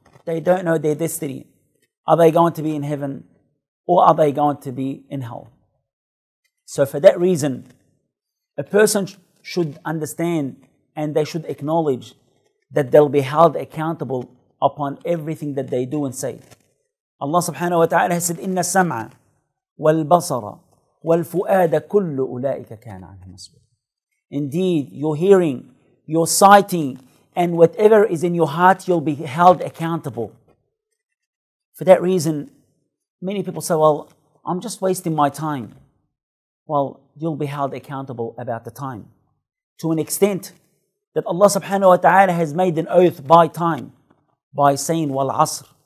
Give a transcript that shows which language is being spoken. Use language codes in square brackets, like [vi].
[en] They don't know their destiny. Are they going to be in heaven or are they going to be in hell? So for that reason, a person should understand and they should acknowledge that they'll be held accountable upon everything that they do and say. Allah subhanahu wa ta'ala has said, [ar] إِنَّ السَّمْعَ وَالْبَصَرَ وَالْفُؤَادَ كُلُّ أُولَٰئِكَ كَانَ عَنْهُ مَسْئُولًا. [en] Indeed, your hearing, your sighting, and whatever is in your heart, you'll be held accountable. For that reason, many people say, "Well, I'm just wasting my time." Well, you'll be held accountable about the time. To an extent that Allah subhanahu wa ta'ala has made an oath by time, by saying, "Wal asr."